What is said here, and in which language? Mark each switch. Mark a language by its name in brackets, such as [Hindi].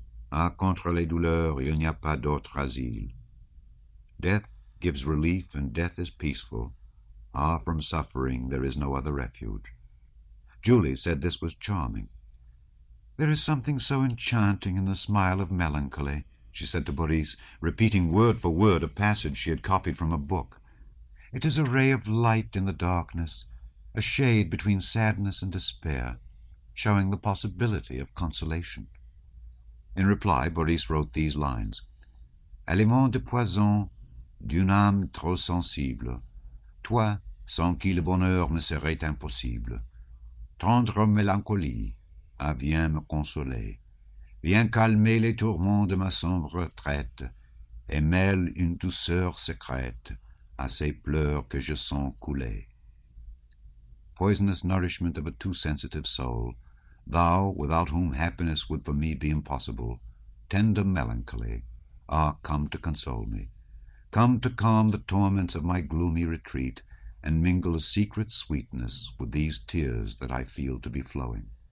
[French] Ah, contre les douleurs, il n'y a pas d'autre asile. [English] Death gives relief and death is peaceful. Ah, from suffering there is no other refuge." Julie said this was charming. "There is something so enchanting in the smile of melancholy," she said to Boris, repeating word for word a passage she had copied from a book. "It is a ray of light in the darkness, a shade between sadness and despair, showing the possibility of consolation." In reply, Boris wrote these lines, [French] "Aliment de poison d'une âme trop sensible, toi sans qui le bonheur me serait impossible, tendre mélancolie, viens me consoler, Viens calmer les tourments de ma sombre retraite et mêle une douceur secrète à ces pleurs que je sens couler. [English] Poisonous nourishment of a too sensitive soul, thou, without whom happiness would for me be impossible, tender melancholy, ah, come to console me. Come to calm the torments of my gloomy retreat and mingle a secret sweetness with these tears that I feel to be flowing.